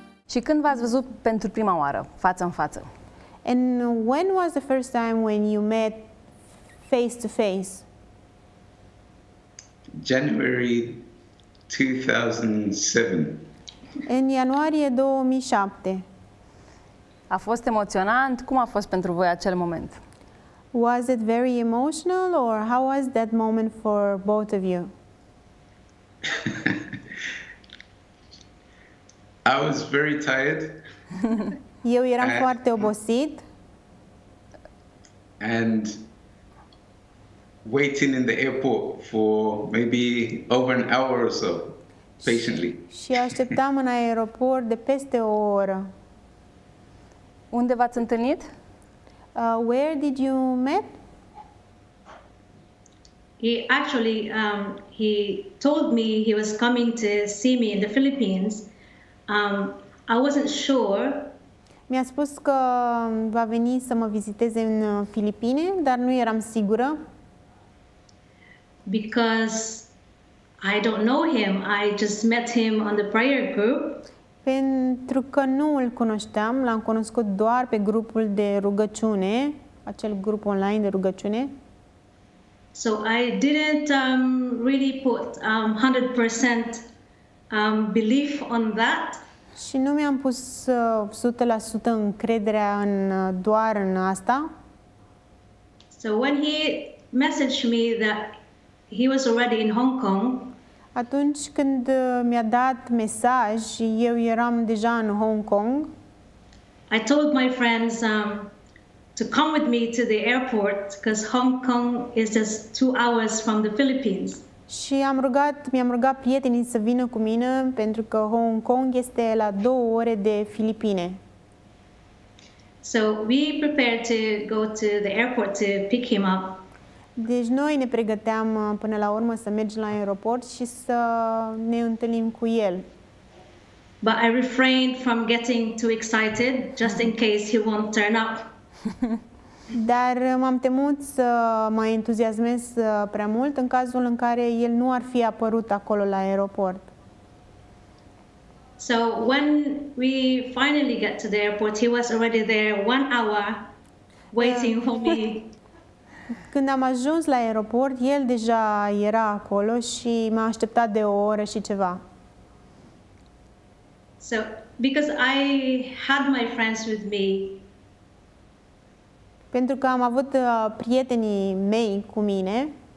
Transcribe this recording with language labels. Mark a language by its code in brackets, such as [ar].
[ro] și când v-ați văzut pentru prima oară, față în față? [en] And when was the first time when you met face to face? January 2007. [ro] În ianuarie 2007. A fost emoționant? Cum a fost pentru voi acel moment? [en] Was it very emotional or how was that moment for both of you? I was very tired. [ro] Eu eram foarte obosit. [en] And waiting in the airport for maybe over an hour or so, patiently. [ro] Și așteptam în aeroport de peste o oră. Unde v-ați întâlnit? [en] Where did you meet? He actually he told me he was coming to see me in the Philippines. I wasn't sure. [ro] Mi-a spus că va veni să mă viziteze în Filipine, dar nu eram sigură. [en] Because I don't know him. I just met him on the prayer group. [ro] Pentru că nu îl cunoșteam, l-am cunoscut doar pe grupul de rugăciune, acel grup online de rugăciune. [en] So I didn't really put 100% belief on that. [ro] Și nu mi-am pus 100% încrederea în doar în asta. [en] So when he messaged me that he was already in Hong Kong. [ro] Atunci când mi-a dat mesaj, eu eram deja în Hong Kong. [en] I told my friends to come with me to the airport because Hong Kong is just 2 hours from the Philippines. [ro] Și mi-am rugat prietenii să vină cu mine pentru că Hong Kong este la 2 ore de Filipine. [en] So we prepared to go to the airport to pick him up. [ro] Deci noi ne pregăteam până la urmă să mergem la aeroport și să ne întâlnim cu el. [en] But I refrained from getting too excited just in case he won't turn up. [ro] Dar m-am temut să mă entuziasmez prea mult în cazul în care el nu ar fi apărut acolo la aeroport. [en] So when we finally get to the airport, he was already there 1 hour waiting for me. [ro] Când am ajuns la aeroport, el deja era acolo și m-a așteptat de o oră și ceva. [en] So, because I had my friends with me. [ro] Pentru că am avut prietenii mei cu mine.